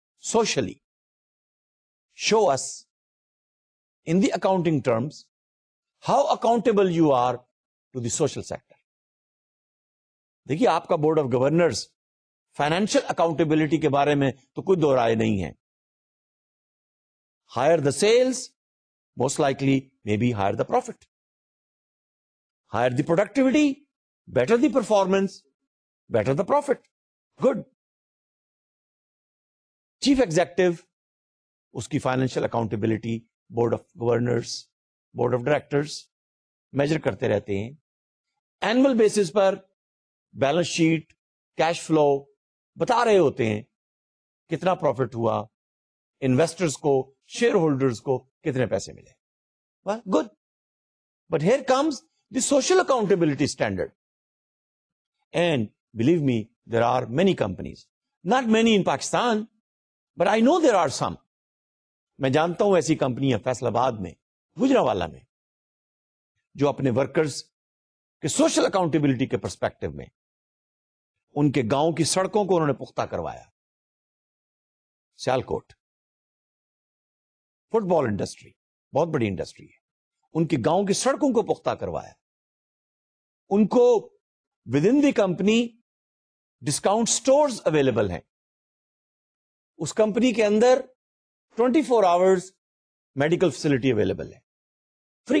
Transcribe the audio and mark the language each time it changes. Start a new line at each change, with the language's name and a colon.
English: Socially show us in the accounting terms how accountable you are to the social sector.
Urdu: دیکھیے آپ کا board of governors financial accountability کے بارے میں تو کوئی دو رائے نہیں ہے.
English: Higher the sales most likely may be higher the profit, higher the productivity better the performance better the profit. Good.
Urdu: Chief executive اس کی financial accountability board of governors board of directors major کرتے رہتے ہیں. Annual basis پر balance sheet cash flow بتا رہے ہوتے ہیں کتنا profit ہوا, انویسٹرز کو شیئر ہولڈرز کو کتنے پیسے ملے.
English: Well, good. But here comes the social accountability standard. And believe me, there are many companies. Not many in Pakistan, but I know there are some.
Urdu: میں جانتا ہوں ایسی کمپنی ہے فیصل آباد میں, گوجرانوالہ میں, جو اپنے ورکرز کے سوشل اکاؤنٹیبلٹی کے پرسپیکٹو میں ان کے گاؤں کی سڑکوں کو انہوں نے پختہ کروایا. سیالکوٹ فٹ بال انڈسٹری بہت بڑی انڈسٹری ہے, ان کے گاؤں کی سڑکوں کو پختہ کروایا, ان کو
English: with in the company
Urdu: discount stores available ہیں, اس کمپنی کے اندر 24 آورز میڈیکل فیسلٹی اویلیبل ہے فری.